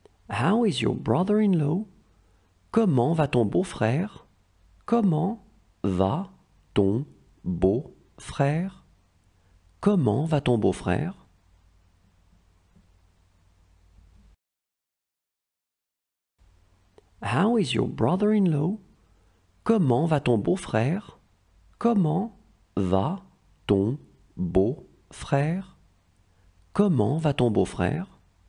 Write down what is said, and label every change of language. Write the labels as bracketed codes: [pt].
[en] How is your brother-in-law? [fr] Comment va ton beau-frère? Comment va ton beau-frère? Comment va ton beau-frère? [en] How is your brother-in-law? [fr] Comment va ton beau-frère? Comment va ton beau-frère? Comment va ton beau-frère?